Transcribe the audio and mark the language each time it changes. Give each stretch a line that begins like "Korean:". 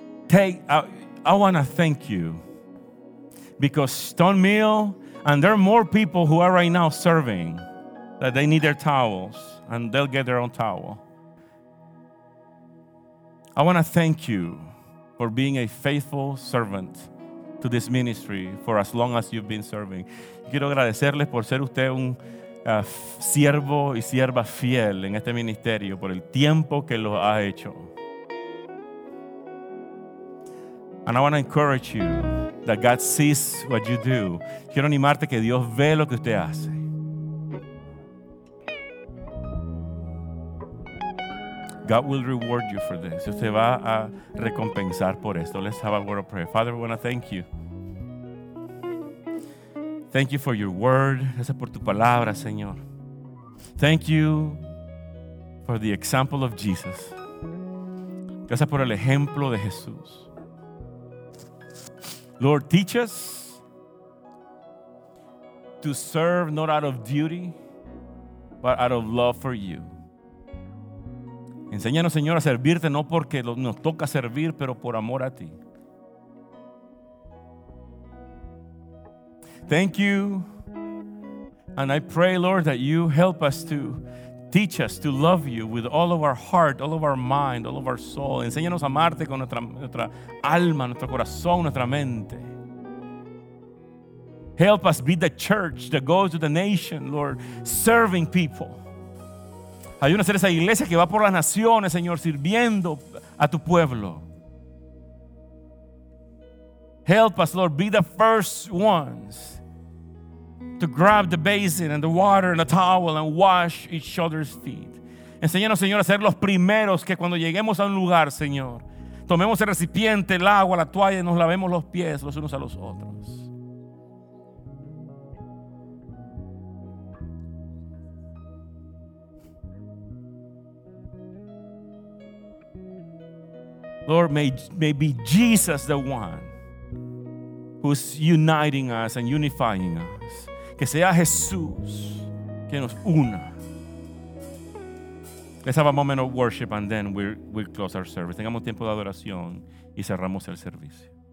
English: I want to thank you because Stone Mill and there are more people who are right now serving that they need their towels and they'll get their own towel. I want to thank you for being a faithful servant to this ministry for as long as you've been serving.
Spanish: Quiero agradecerles por ser usted un siervo y sierva fiel en este ministerio por el tiempo que lo ha hecho.
English: And I want to encourage you that God sees what you do.
Spanish: Quiero animarte que Dios ve lo que usted hace.
English: God will reward you for this.
Spanish: Dios te va a recompensar por esto.
English: Let's have a word of prayer. Father, we want to thank you. Thank you for your word.
Spanish: Gracias por tu palabra, Señor.
English: Thank you for the example of Jesus.
Spanish: Gracias por el ejemplo de Jesús.
English: Lord, teach us to serve not out of duty, but out of love for you.
Spanish: Enséñanos, Señor, a servirte no porque nos toca servir, pero por amor a ti.
English: Thank you. And I pray, Lord, that you help us to teach us to love you with all of our heart, all of our mind, all of our soul.
Spanish: Enséñanos a amarte con nuestra alma, nuestro corazón, nuestra mente.
English: Help us be the church that goes to the nation, Lord, serving people.
Spanish: Ayúdanos a ser esa iglesia que va por las naciones, Señor, sirviendo a tu pueblo.
English: Help us, Lord, be the first ones to grab the basin and the water and the towel and wash each other's feet.
Spanish: Enséñanos, Señor, a ser los primeros que cuando lleguemos a un lugar, Señor, tomemos el recipiente, el agua, la toalla y nos lavemos los pies los unos a los otros.
English: Lord, may be Jesus the one who's uniting us and unifying us.
Spanish: Que sea Jesús que nos una.
English: Let's have a moment of worship and then we'll close our service.
Spanish: Tengamos tiempo de adoración y cerramos el servicio.